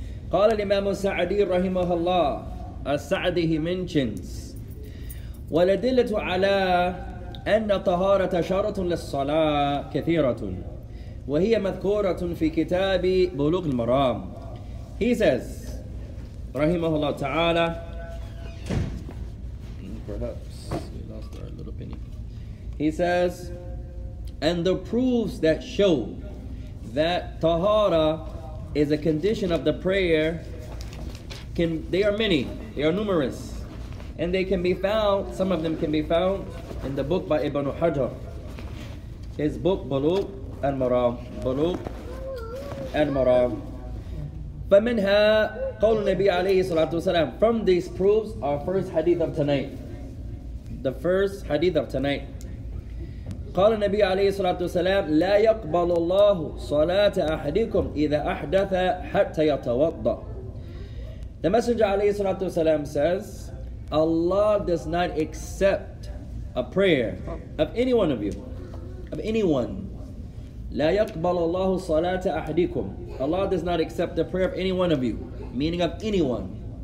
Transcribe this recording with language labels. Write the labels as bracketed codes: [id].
[ar] قال الإمام السعدي رحمه الله. [en] السعدي he mentions. [ar] والأدلة على أن طهارة شرط للصلاة كثيرة وهي مذكورة في كتاب بلوغ المرام. [en] He says [ar] رحمه الله تعالى. [en] Perhaps we lost our little penny. He says, and the proofs that show that tahara is a condition of the prayer are numerous. And they can be found, some of them can be found in the book by Ibn Hajar. His book, Bulugh al-Maram. Bulugh al-Maram. [ar] فمنها قول النبي عليه الصلاة والسلام. [en] From these proofs, our first hadith of tonight. The first hadith of tonight. [ar] قال النبي عليه الصلاة والسلام, لا يقبل الله صلاة أحدكم إذا أحدث حتى يتوضأ. [en] The Messenger [ar] عليه الصلاة والسلام [en] says, Allah does not accept a prayer of any one of you, of anyone. [ar] لا يقبل الله صلاة أحدكم. [en] Allah does not accept the prayer of any one of you, meaning of anyone.